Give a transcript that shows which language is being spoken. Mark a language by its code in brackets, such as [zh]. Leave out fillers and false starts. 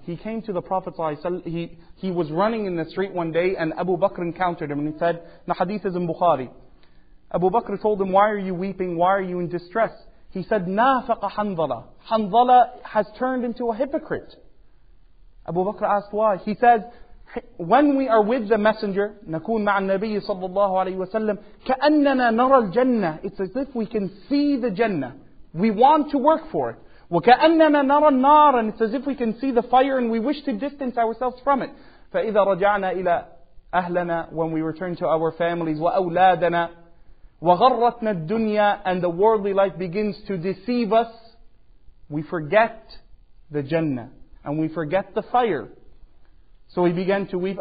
[en] He came to the Prophet ﷺ. He was running in the street one day and Abu Bakr encountered him and he said, the hadith is in Bukhari. Abu Bakr told him, why are you weeping? Why are you in distress? He said, [ar] نَافَقَ حَنْظَلَ. [en] حَنْظَلَ has turned into a hypocrite. Abu Bakr asked why. He says, when we are with the messenger, [ar] نَكُونَ مَعَ النَّبِيِّ صَلَّى اللَّهُ عَلَيْهِ وَسَلَّمْ كَأَنَّنَا نَرَى الْجَنَّةِ. [en] It's as if we can see the Jannah. We want to work for it. [ar] وَكَأَنَّنَا نَرَى النَّارَ, [en] and it's as if we can see the fire and we wish to distance ourselves from it. [ar] فَإِذَا رَجَعْنَا إِلَىٰ أَهْلَنَا, [en] when we return to our families, [ar] وَأَوْلَادَنَا وَغَرَّتْنَا الدُّنْيَا, [en] and the worldly life begins to deceive us, we forget the Jannah and we forget the fire. So he began to weep.